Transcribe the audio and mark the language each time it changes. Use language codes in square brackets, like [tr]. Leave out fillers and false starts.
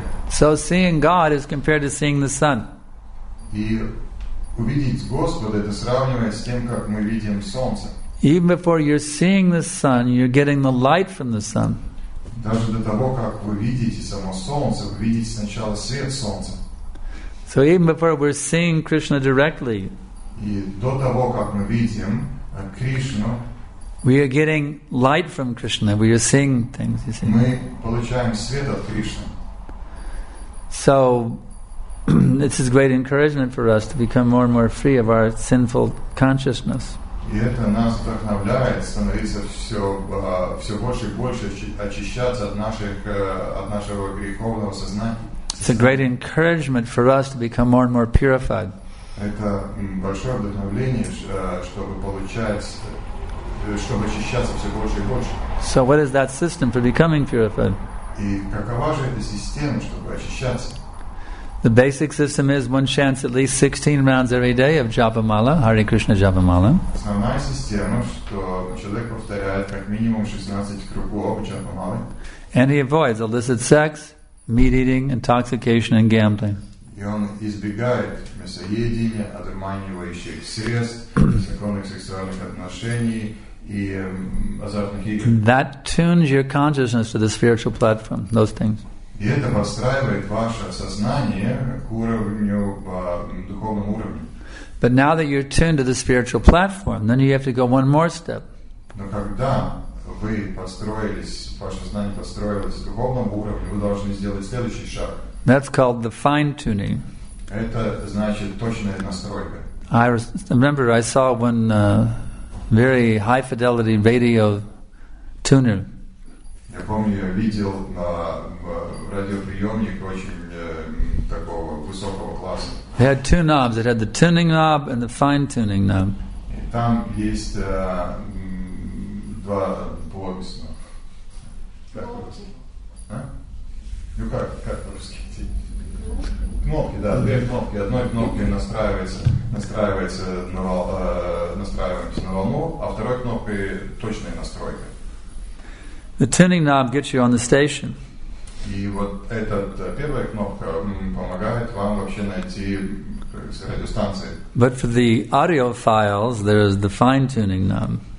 [en] So seeing God is compared to seeing the sun. [ru] увидеть Господа, это сравнивает с тем, как мы видим солнце. [en] Even before you're seeing the sun, you're getting the light from the sun. [ru] Даже до того, как вы видите само солнце, вы видите сначала свет солнца. [en] So even before we're seeing Krishna directly, [ru] и до того, как мы видим Кришну, [en] we are getting light from Krishna. We are seeing things. You see. [ru] Мы получаем свет от Кришны. [en] So this is great encouragement for us to become more and more free of our sinful consciousness. [ru] И это нас вдохновляет становиться все больше и больше очищаться от нашего греховного сознания. [en] It's a great encouragement for us to become more and more purified. [ru] Это большое вдохновение, чтобы получать, чтобы очищаться все больше и больше. [en] So what is that system for becoming purified? [ru] И какова же эта система, чтобы очищаться? [en] The basic system is one chants at least 16 rounds every day of Japa Mala, Hare Krishna Japa Mala. [ru] Основная система, что человек повторяет как минимум 16 кругов Japa Mala. [en] And he avoids illicit sex, meat eating, intoxication, and gambling. [ru] И он избегает мясоедения, одурманивающих средств, незаконных сексуальных отношений и азартных игр. [en] That tunes your consciousness to the spiritual platform. Those things. [ru] И это подстраивает ваше сознание к уровню, по духовному уровню. [en] But now that you're tuned to the spiritual platform, then you have to go one more step. [ru] Но когда вы построились, ваше сознание построилось к духовному уровню, вы должны сделать следующий шаг. [en] That's called the fine-tuning. [ru] Это значит точная настройка. [en] I remember I saw one very high-fidelity radio tuner. [ru] Я помню, я видел на радиоприемник очень такого высокого класса. [en] They had two knobs. It had the tuning knob and the fine tuning knob. [ru] И там есть два блока. Да. Ну как по-русски? Кнопки, да, две кнопки. Одной кнопкой настраивается на волну, а второй кнопкой точная настройка. [en] The tuning knob gets you on the station. [ru] И вот эта первая кнопка помогает вам вообще найти радиостанции. [en] But for the audio files, there is the fine tuning knob.